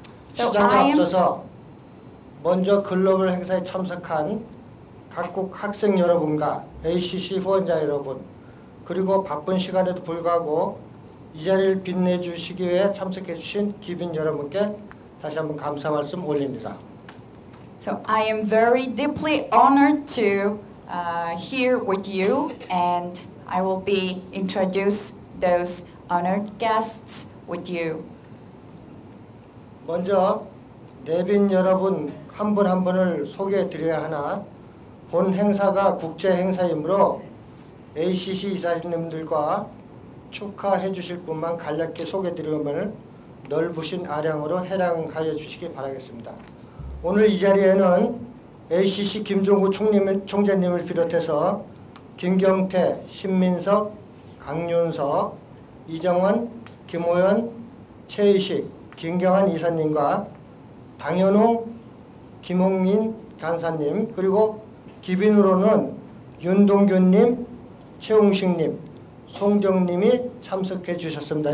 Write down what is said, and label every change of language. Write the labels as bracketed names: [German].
[Korean] 시작에 앞서서 먼저 글로벌 행사에 참석한 각국 학생 여러분과 ACC 후원자 여러분, 그리고 바쁜 시간에도 불구하고 이 자리를 빛내주시기 위해 참석해주신 기빈 여러분께 다시 한번 감사 말씀 올립니다. [English] So I am very deeply honored to hear with you, and I will be introduce those honored guests with you. [Korean] 먼저 내빈 여러분 한 분 한 분을 소개해 드려야 하나 본 행사가 국제 행사이므로 ACC 이사님들과 축하해 주실 분만 간략히 소개드리면 넓으신 아량으로 해량하여 주시기 바라겠습니다. 오늘 이 자리에는 ACC 김종구 총재님을 비롯해서 김경태, 신민석, 강윤석, 이정원, 김호연, 최의식, 김경환 이사님과 당현웅, 김홍민 간사님, 그리고 기빈으로는 윤동균님, 최웅식님, 송정님이 참석해 주셨습니다.